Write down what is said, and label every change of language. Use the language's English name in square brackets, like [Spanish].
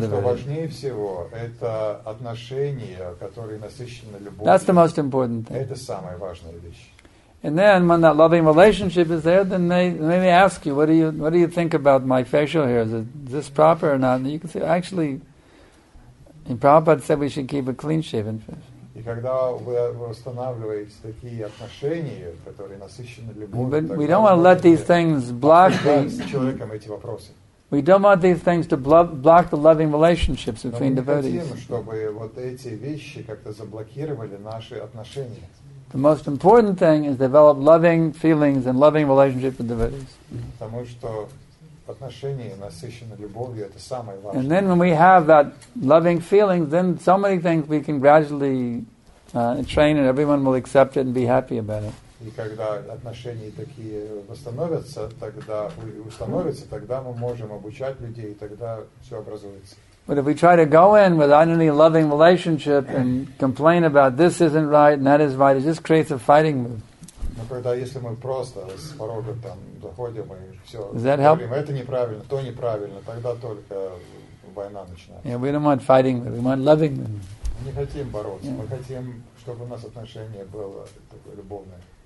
[English] devotees. That's the most important thing. And then when that loving relationship is there, then they ask you, what do you think about my facial hair? Is this proper or not? And you can say, actually, and Prabhupada said we should keep a clean-shaven face. [Russian] И когда вы устанавливаете такие отношения, которые насыщены любовью, [English] we don't want to let these things block [Russian] эти вопросы. [English] We don't want these things to block the loving relationships between devotees. [Russian] Хотим, чтобы вот эти вещи как-то заблокировали наши отношения. [English] The most important thing is develop loving feelings and loving relationship with devotees. [Russian] Потому что отношения насыщены любовью, это самое важное. [English] And then when we have that loving feeling, then so many things we can gradually train and everyone will accept it and be happy about it. [Russian] И когда отношения такие восстановятся, тогда установятся, тогда мы можем обучать людей, и тогда все образуется. [English] But if we try to go in without any loving relationship and complain about this isn't right and that is right, it just creates a fighting move. [Russian] Если мы просто с порога там заходим и все говорим, это неправильно, то неправильно, тогда только война начинается. [English] Yeah, we don't want fighting, we want loving. [Russian] Мы не хотим бороться, мы хотим, чтобы у нас отношение было такое любовное.